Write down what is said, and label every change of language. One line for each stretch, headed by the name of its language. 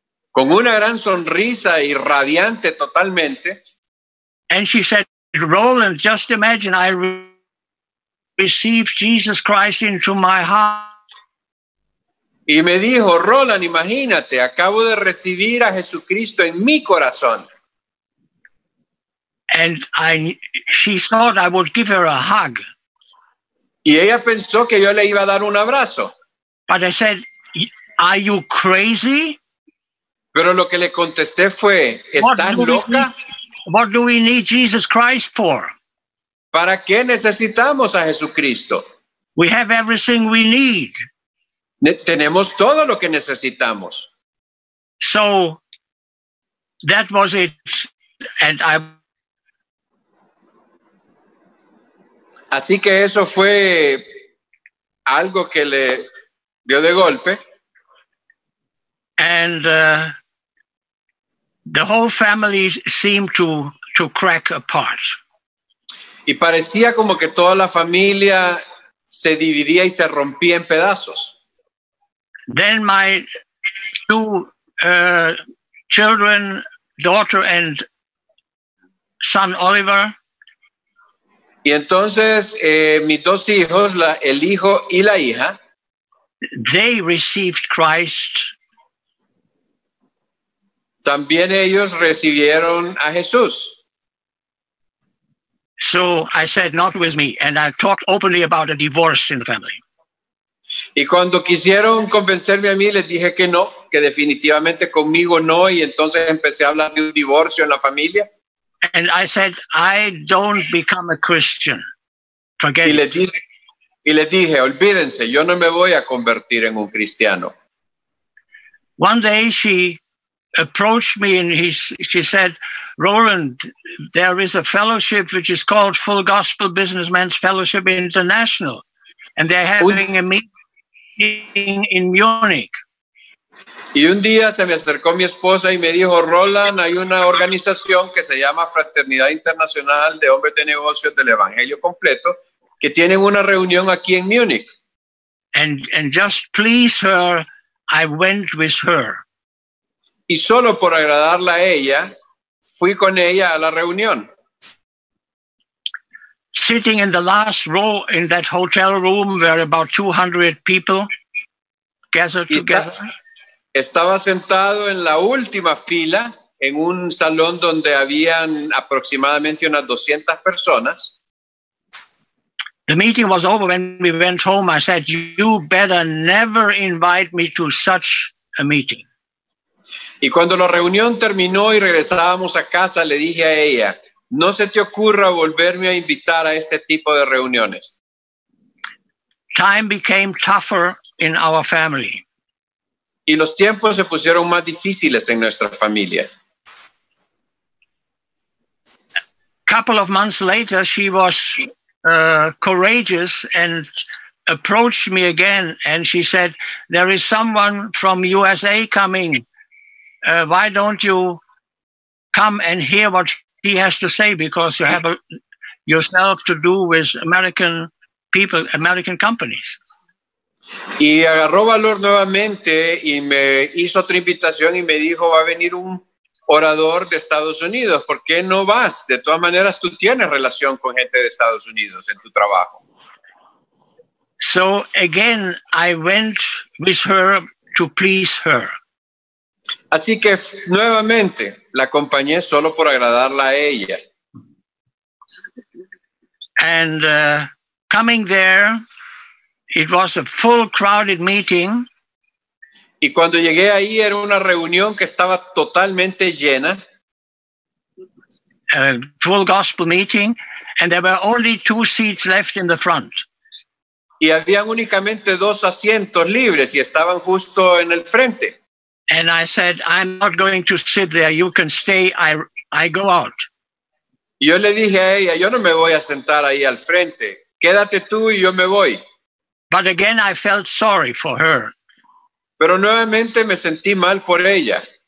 Spanish: Con una gran sonrisa y radiante totalmente.
English: And she said, Roland, just imagine I received Jesus Christ into my heart.
Spanish: Y me dijo, Roland, imagínate, acabo de recibir a Jesucristo en mi corazón.
English: And she thought I would give her a hug.
Spanish: Y ella pensó que yo le iba a dar un abrazo.
English: But I said, are you crazy?
Spanish: Pero lo que le contesté fue, ¿estás loca?
English: What do we need Jesus Christ for?
Spanish: ¿Para qué necesitamos a Jesucristo?
English: We have everything we need.
Spanish: Tenemos todo lo que necesitamos.
English: So, that was it. And I...
Spanish: Así que eso fue algo que le dio de golpe.
English: And the whole family seemed to crack apart.
Spanish: Y parecía como que toda la familia se dividía y se rompía en pedazos.
English: Then my two children, daughter and son Oliver,
Spanish: Y entonces mis dos hijos, el hijo y la hija,
English: they received Christ.
Spanish: También ellos recibieron a Jesús.
English: So I said, not with me, and I talked openly about a divorce in the family.
Spanish: Y cuando quisieron convencerme a mí, les dije que no, que definitivamente conmigo no, y entonces empecé a hablar de un divorcio en la familia.
English: And I said, I don't become a Christian. Forget it.
Spanish: Y les dije, olvídense, yo no me voy a convertir en un cristiano.
English: One day she approached me and she said, Roland, there is a fellowship which is called Full Gospel Businessmen's Fellowship International, and they're having a meeting in Munich.
Spanish: Y un día se me acercó mi esposa y me dijo, Roland, hay una organización que se llama Fraternidad Internacional de Hombres de Negocios del Evangelio Completo, que tienen una reunión aquí en Munich.
English: And just please her, I went with her.
Spanish: Y solo por agradarla a ella, fui con ella a la reunión.
English: Sitting in the last row in that hotel room where about 200 people gathered together.
Spanish: Estaba sentado en la última fila, en un salón donde habían aproximadamente unas 200 personas.
English: The meeting was over when we went home. I said, you better never invite me to such a meeting.
Spanish: Y cuando la reunión terminó y regresábamos a casa, le dije a ella, no se te ocurra volverme a invitar a este tipo de reuniones.
English: Time became tougher in our family.
Spanish: Y los tiempos se pusieron más difíciles en nuestra familia.
English: A couple of months later, she was courageous and approached me again. And she said, there is someone from USA coming. Why don't you come and hear what he has to say? Because you have yourself to do with American people, American companies.
Spanish: Y agarró valor nuevamente y me hizo otra invitación y me dijo, va a venir un orador de Estados Unidos. ¿Por qué no vas? De todas maneras, tú tienes relación con gente de Estados Unidos en tu trabajo.
English: So again, I went with her to please her.
Spanish: Así que nuevamente la acompañé solo por agradarla a ella.
English: And coming there, it was a full crowded meeting.
Spanish: Y cuando llegué ahí era una reunión que estaba totalmente llena.
English: A full gospel meeting, and there were only two seats left in the front.
Spanish: Y habían únicamente dos asientos libres y estaban justo en el frente.
English: And I said, I'm not going to sit there. You can stay. I go out.
Spanish: Y yo le dije a ella, yo no me voy a sentar ahí al frente. Quédate tú y yo me voy.
English: But again, I felt sorry for her.
Spanish: Pero nuevamente me sentí mal por ella.